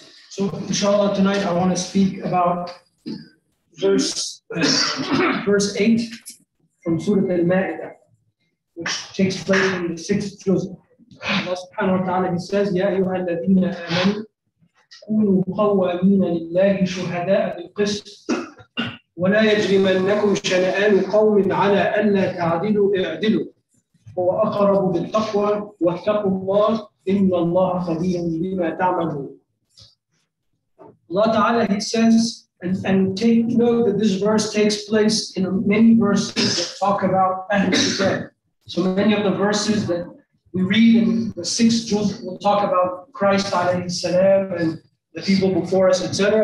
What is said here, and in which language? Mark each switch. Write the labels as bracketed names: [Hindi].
[English] So inshallah tonight I want to speak about verse 8 from Surah Al-Ma'idah, which takes place in the sixth juz. [Arabic] Allah subhanahu wa ta'ala, [English] he says, [Arabic] يَا أَيُّهَا الَّذِينَ آمَنُوا كُونُوا قَوَّامِينَ لِلَّهِ شُهَدَاءَ بِالْقِسْطِ وَلَا يَجْرِمَنَّكُمْ شَنَآنُ قَوْمٍ عَلَىٰ أَلَّا تَعْدِلُوا اِعْدِلُوا هُوَ أَقْرَبُ بِالتَّقْوَى وَاتَّقُوا اللَّهَ إِنَّ اللَّهَ خَبِيرٌ بِمَا تَعْمَلُونَ. [English] Allah ta'ala, he says, and take note that this verse takes place in many verses that talk about Ahl al-Kitab. So many of the verses that we read in the sixth juz will talk about Christ alayhi salam and the people before us, etc.